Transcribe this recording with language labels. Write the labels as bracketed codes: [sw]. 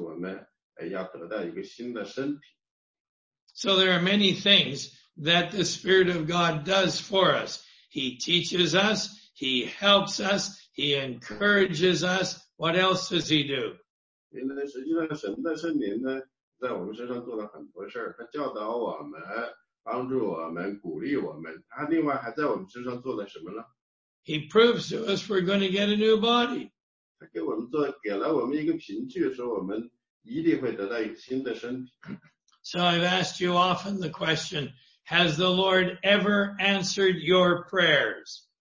[zh] 这个答案就是呢，神赐给了我们圣灵做凭据，这个是我们要得到一个新的身体。 [en] So there are many things that the Spirit of God does for us. He teaches us, He helps us, He encourages us. What else does He do? [zh] 因为实际上神的圣灵呢，在我们身上做了很多事儿，他教导我们，帮助我们，鼓励我们。他另外还在我们身上做了什么呢？ [en] He proves to us we're going to get a new body. [zh] 他给我们做，给了我们一个凭据，说我们一定会得到一个新的身体。 [en] So I've asked you often the question, has the Lord ever answered your prayers?